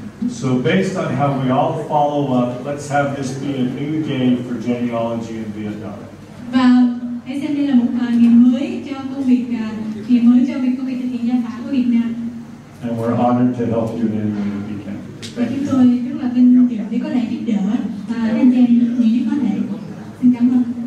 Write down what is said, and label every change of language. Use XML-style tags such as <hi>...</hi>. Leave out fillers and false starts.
<en>So based on how we all follow up, let's have this be a new game for genealogy in Vietnam.</en> <vi>Và hãy xem đây là một ngày mới cho công việc ngày mới cho việc công việc thực hiện gia phả của Việt Nam.</vi> <en>And we're honored to help you in any way we can.</en> <vi>Và chúng tôi rất là vinh dự để có thể giúp đỡ và anh em nhiều nhất có thể. Xin cảm ơn.</vi>